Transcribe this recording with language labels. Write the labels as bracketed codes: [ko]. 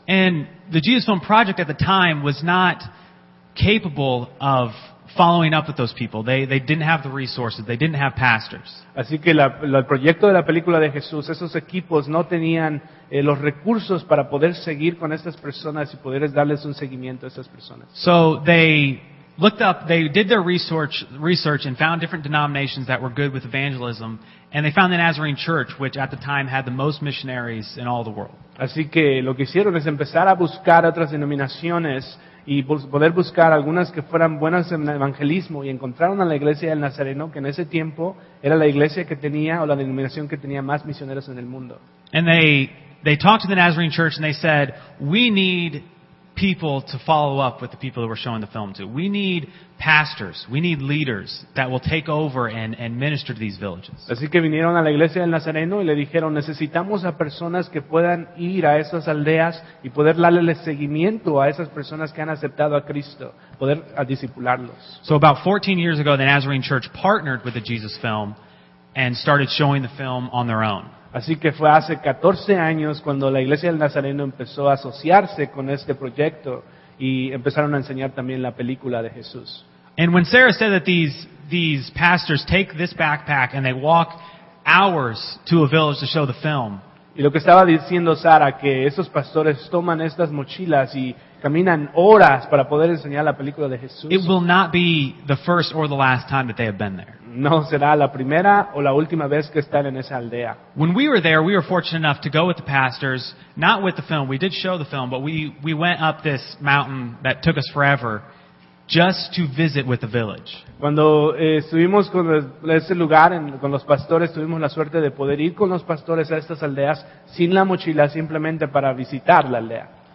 [en] And the Jesus Film Project at the time was not capable of following up with those people. They didn't have the resources. They didn't have pastors. [es] Así que el proyecto de la película de Jesús, esos equipos no tenían los recursos para poder seguir con estas personas y poder darles un seguimiento a esas personas. [en] So they looked up, they did their research and found different denominations that were good with evangelism, and they found the Nazarene Church, which at the time had the most missionaries in all the world. [es] Así que lo que hicieron es empezar a buscar otras denominaciones y poder buscar algunas que fueran buenas en evangelismo, y encontraron a la iglesia del Nazareno, que en ese tiempo era la iglesia que tenía o la denominación que tenía más misioneros en el mundo. [en] And they talked to the Nazarene Church and they said, "We need people to follow up with the people that we're showing the film to. We need pastors. We need leaders that will take over and minister to these villages. [es] Así que vinieron a la iglesia del Nazareno y le dijeron, necesitamos a personas que puedan ir a esas aldeas y poder darle seguimiento a esas personas que han aceptado a Cristo, poder a discipularlos. [en] So about 14 years ago, the Nazarene Church partnered with the Jesus Film and started showing the film on their own. [es] Así que fue hace 14 años cuando la Iglesia del Nazareno empezó a asociarse con este proyecto y empezaron a enseñar también la película de Jesús. [en] And when Sarah said that these pastors take this backpack and they walk hours to a village to show the film. [es] Y lo que estaba diciendo Sara, que esos pastores toman estas mochilas y caminan horas para poder enseñar la película de Jesús. [en] It will not be the first or the last time that they have been there. [es] No será la primera o la última vez que están en esa aldea. [en] When we were there, we were fortunate enough to go with the pastors, not with the film. We did show the film, but we went up this mountain that took us forever just to visit with the village. [es] Cuando estuvimos con ese lugar con los pastores, tuvimos la suerte de poder ir con los pastores a estas aldeas sin la mochila, simplemente para visitar la aldea.